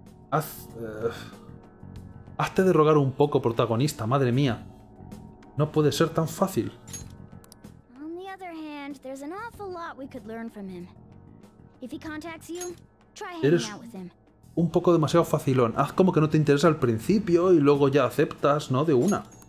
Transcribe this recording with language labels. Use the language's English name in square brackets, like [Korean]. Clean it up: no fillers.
[Spanish] Hazte de rogar un poco, protagonista, madre mía. No puede ser tan fácil. [English] On the other hand, there's an awful lot we could learn from him. If he contacts you, try hanging out with him. [Spanish] Un poco demasiado facilón. Haz como que no te interesa al principio y luego ya aceptas, ¿no? De una.